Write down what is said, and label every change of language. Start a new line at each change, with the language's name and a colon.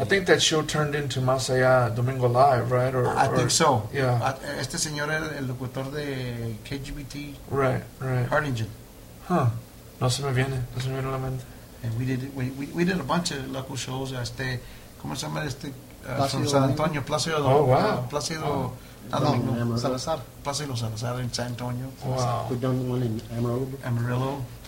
English: I think that show turned into Más Allá Domingo Live, right? I think so. Yeah.
Spanish: Este señor era el locutor de KGBT.
English: Right. Harlingen.
Spanish: Huh. No se me viene a la mente.
English: And we did a bunch of local shows.
Spanish: ¿Cómo se llama este?
English: From San Antonio.
Spanish: Plácido.
English: Oh, wow. Salazar. Plácido Salazar in San Antonio. Wow. We done the one in Amarillo.